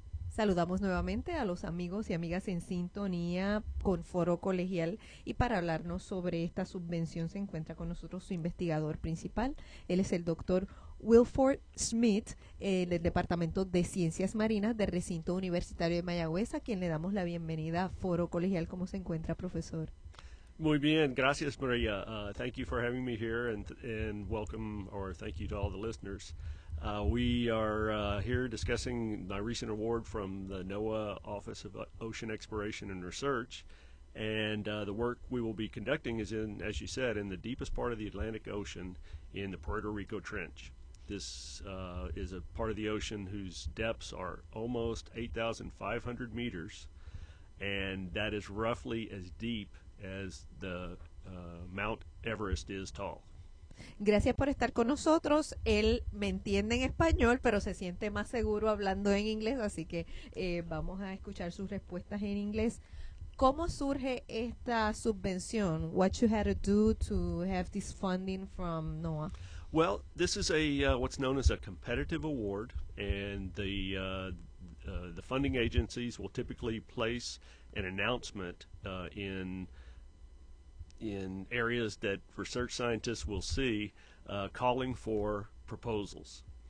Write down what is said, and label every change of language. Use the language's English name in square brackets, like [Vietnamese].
[Spanish] Saludamos nuevamente a los amigos y amigas en sintonía con Foro Colegial, y para hablarnos sobre esta subvención se encuentra con nosotros su investigador principal. Él es el doctor Wilford Smith, del Departamento de Ciencias Marinas del Recinto Universitario de Mayagüez, a quien le damos la bienvenida a Foro Colegial. ¿Cómo se encuentra, profesor? Muy bien, gracias, María. [English] Thank you for having me here and welcome, or thank you to all the listeners. We are here discussing my recent award from the NOAA Office of Ocean Exploration and Research. And the work we will be conducting is in, as you said, in the deepest part of the Atlantic Ocean in the Puerto Rico Trench. This is a part of the ocean whose depths are almost 8,500 meters, and that is roughly as deep as the Mount Everest is tall. [Spanish] Gracias por estar con nosotros. Él me entiende en español, pero se siente más seguro hablando en inglés, así que vamos a escuchar sus respuestas en inglés. ¿Cómo surge esta subvención? [English] What you had to do to have this funding from NOAA? Well, this is a what's known as a competitive award, and the funding agencies will typically place an announcement in areas that research scientists will see, calling for proposals.